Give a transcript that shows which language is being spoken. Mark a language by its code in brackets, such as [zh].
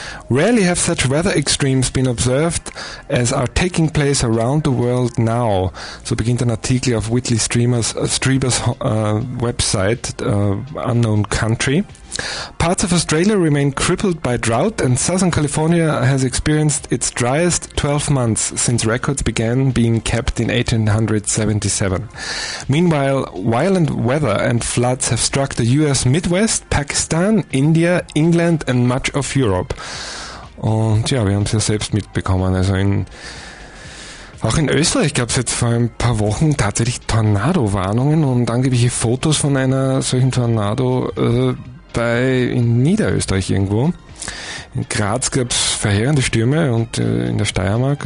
[en] Rarely have such weather extremes been observed as are taking place around the world now. [de] So beginnt ein Artikel auf Whitley Strieber's Website, Unknown Country. [en] Parts of Australia remain crippled by drought and Southern California has experienced its driest 12 months since records began being kept in 1877. Meanwhile, violent weather and floods have struck the US Midwest, Pakistan, India, England and much of Europe. [de] Und ja, wir haben es ja selbst mitbekommen. Also auch in Österreich gab es jetzt vor ein paar Wochen tatsächlich Tornado-Warnungen und angebliche Fotos von einer solchen Tornado in Niederösterreich irgendwo. In Graz gab es verheerende Stürme und in der Steiermark.